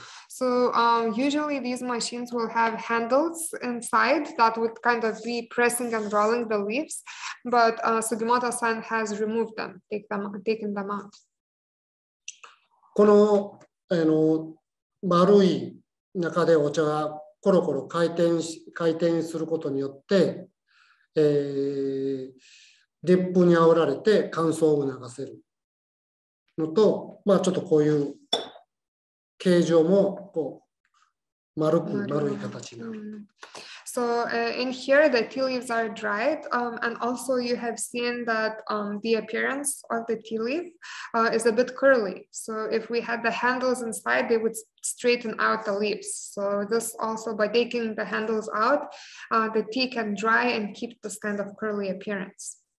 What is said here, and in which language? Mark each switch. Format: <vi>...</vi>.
<en>So usually these machines will have handles inside that would kind of be pressing and rolling the leaves, but Sugimoto-san has removed them, taken them out.</en> <ja>この丸い中でお茶がコロコロ回転することによって、熱風にあおられて乾燥を促せる。のと、まあちょっとこういう形状もこう</ja> <en>So in here, the tea leaves are dried. And also you have seen that the appearance of the tea leaf is a bit curly. So if we had the handles inside, they would straighten out the leaves. So this also, by taking the handles out, the tea can dry and keep this kind of curly appearance.</en>